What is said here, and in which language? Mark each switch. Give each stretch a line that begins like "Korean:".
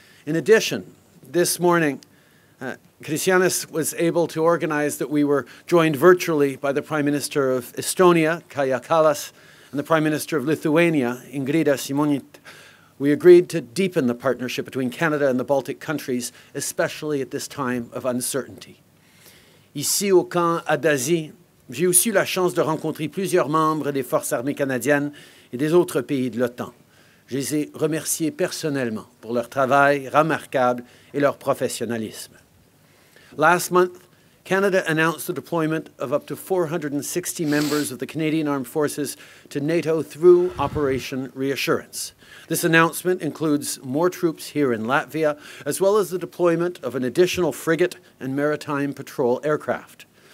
English: In addition, this morning, Kristianis was able to organize that we were joined virtually by the Prime Minister of Estonia, Kaja Kallas, and the Prime Minister of Lithuania, Ingrida Šimonytė. We agreed to deepen the partnership between Canada and the Baltic countries, especially at this time of uncertainty.
French: Ici au camp à Dazi, j'ai aussi eu la chance de rencontrer plusieurs membres des forces armées canadiennes et des autres pays de l'OTAN. Je les ai remerciés personnellement pour leur travail remarquable et leur professionnalisme.
English: Last month, Canada announced the deployment of up to 460 members of the Canadian Armed Forces to NATO through Operation Reassurance. This announcement includes more troops here in Latvia, as well as the deployment of an additional frigate and maritime patrol aircraft.